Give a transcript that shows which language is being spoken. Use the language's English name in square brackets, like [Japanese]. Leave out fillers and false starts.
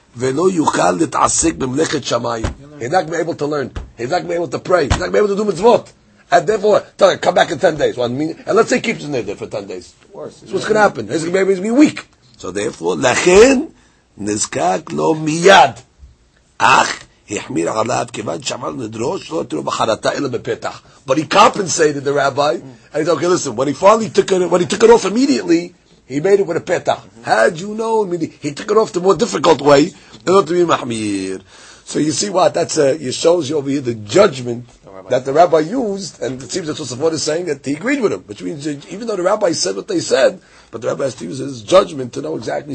[Hebrew] ולא יוכל להתעסק במלאכת שמיים. [English] He's not going to be able to learn. He's not going to be able to pray. He's not going to be able to do mitzvot. And therefore, tell him, come back in 10 days. Well, I mean, and let's say he keeps his neder for 10 days. So what's going to happen? He's going to be weak. So therefore, [Hebrew] לכן נזקק לו מיד. אך החמיר עליו כיוון שאמר נדרו שלא תראו בחרתה אלא בפתח. [English] But he compensated the rabbi. And he said, okay, listen, when he took it off immediately, he made it with a petah. Had you known, meaning he took it off the more difficult way, in order to be mahmir. So you see what? That shows you over here the judgment that the rabbi used, and it seems that Tosafot is saying that he agreed with him, which means that even though the rabbi said what they said, but the rabbi has to use his judgment to know exactly.